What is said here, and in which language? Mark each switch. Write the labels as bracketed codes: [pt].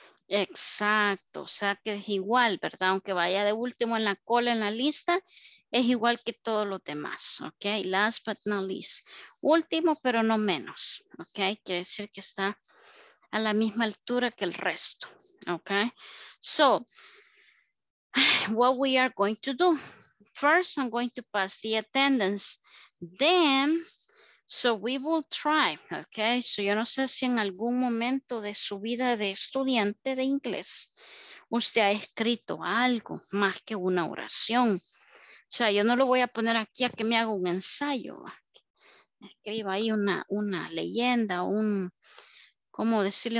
[es] Exacto, o sea que es igual, ¿verdad? Aunque vaya de último en la cola en la lista, es igual que todos los demás, ¿ok? [en] Last but not least, [es] último pero no menos, [en] ¿ok? [es] Quiere decir que está a la misma altura que el resto, ¿ok? [en] So, what we are going to do, first I'm going to pass the attendance, then, so we will try, okay? [es] So yo no sé si en algún momento de su vida de estudiante de inglés usted ha escrito algo más que una oración. O sea, yo no lo voy a poner aquí a que me haga un ensayo. Escriba ahí una leyenda, un, ¿cómo decirle?